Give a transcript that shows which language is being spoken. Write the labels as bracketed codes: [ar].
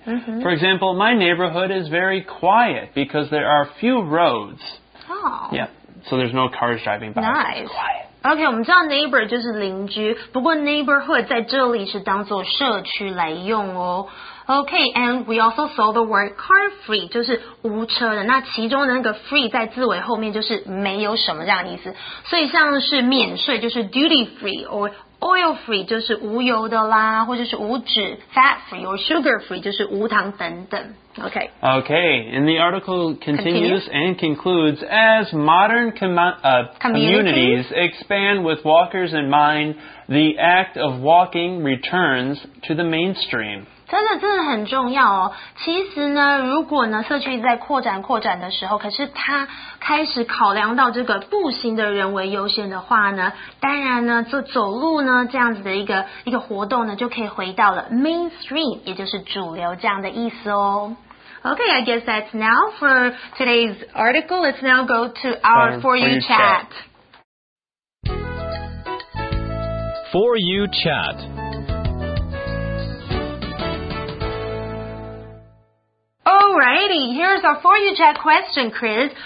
[en] For example, my neighborhood is very quiet because there are few roads. Oh. Yeah. So there's no cars driving by. [zh] Nice. Okay, 我们知道 neighbor 就是邻居，不过 neighborhood 在这里是当作社区来用哦。 [en] Okay, and we also saw the word car-free, [zh] 就是无车的。那其中的那个 free 在字尾后面就是没有什么这样的意思。所以像是免税就是 duty-free, [en] or oil-free [zh] 就是无油的啦，或者是无脂 fat-free, [en] or sugar-free [zh] 就是无糖等等。Okay. [en] Okay, and the article continues and concludes, as modern communities expand with walkers in mind, the act of walking returns to the mainstream. [zh] 真的真的很重要哦。其实呢，如果呢社区在扩展的时候，可是他开始考量到这个步行的人为优先的话呢，当然呢就走路呢这样子的一个活动呢就可以回到了 mainstream 也就是主流这样的意思哦。 [en] Okay, I guess that's now for today's article. Let's now go to our For You Chat. For You Chat. Alrighty, here's our For You Chat question, Chris.